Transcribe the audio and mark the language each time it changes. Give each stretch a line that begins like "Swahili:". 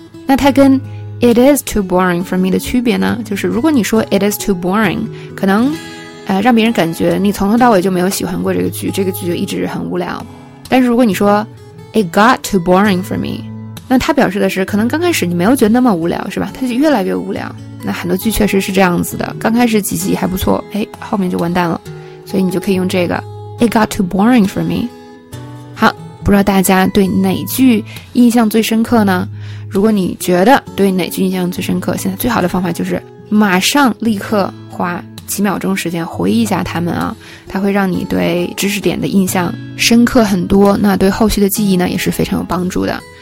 Chinese: 那它跟
English: It is too boring for me
Chinese: 的区别呢，就是如果你说
English: It is too boring，
Chinese: 可能、让别人感觉你从头到尾就没有喜欢过这个剧，这个剧就一直很无聊。但是如果你说
English: It got too boring for me，
Chinese: 那它表示的是可能刚开始你没有觉得那么无聊，是吧，它就越来越无聊。那很多剧确实是这样子的，刚开始几集还不错，哎，后面就完蛋了。所以你就可以用这个
English: It got too boring for me。
Chinese: 好，不知道大家对哪句印象最深刻呢？如果你觉得对哪句印象最深刻，现在最好的方法就是马上立刻花几秒钟时间回忆一下他们啊，它会让你对知识点的印象深刻很多，那对后续的记忆呢也是非常有帮助的。